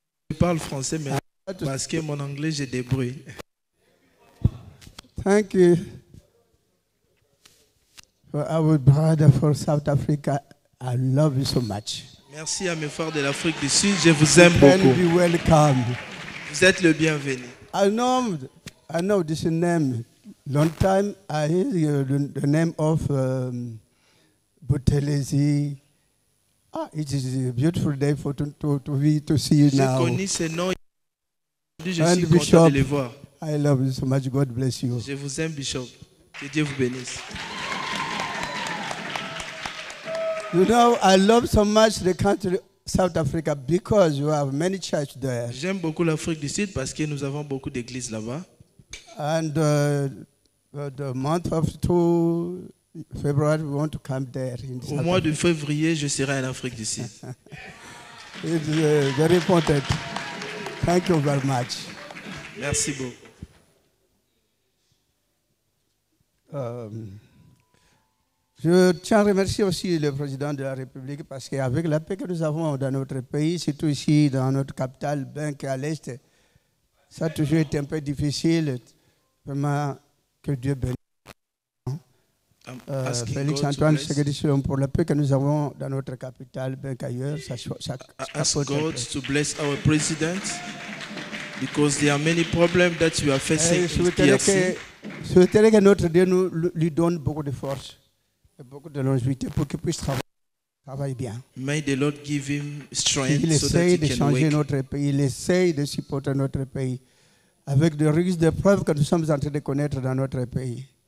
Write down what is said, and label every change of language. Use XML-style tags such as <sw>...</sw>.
<fr>Je parle français, mais parce que mon anglais, j'ai des bruits.</fr> <en>Thank you for our brother for South Africa. I love you so much.</en> <fr>Merci à mes frères de l'Afrique du Sud. Je vous aime beaucoup.</fr> <en>You can be welcome.</en> <fr>Vous êtes le bienvenu.</fr> <en>I know this name. Long time I hear the name of Buthelezi. Ah, it is a beautiful day for to see you now.</en> <fr>Je connais ce nom. Je suis content Bishop, de les voir.</fr> <en>I love you so much. God bless you.</en> <fr>Je vous aime, Bishop. Que Dieu vous bénisse.</fr> <en>You know, I love so much the country South Africa because you have many churches there.</en> <fr>J'aime beaucoup l'Afrique du Sud parce que nous avons beaucoup d'églises là-bas.</fr> <en>And the month of February, we want to come there. In</en> <fr>Au mois de février, je serai en Afrique du Sud.</fr> <en>It's very important. Thank you very much.</en> <fr>Merci beaucoup. Je tiens à remercier aussi le président de la République parce qu'avec la paix que nous avons dans notre pays, surtout ici dans notre capitale, bien qu'à l'est, ça a toujours été un peu difficile. Vraiment, que Dieu bénisse. Félix Antoine, Ségédition, pour la paix que nous avons dans notre capitale, bien qu'ailleurs, ça</fr> <en>ask God to bless our president because there are many problems that you are facing.</en> <fr>Souhaiterais que notre Dieu nous lui donne beaucoup de force. Et beaucoup de longévité pour qu'il puisse travailler bien.</fr> <en>May the Lord give him strength.</en> <fr>Il essaye de changer notre pays, il essaye de supporter notre pays avec de rigueurs de preuves que nous sommes en train de connaître dans notre pays.</fr>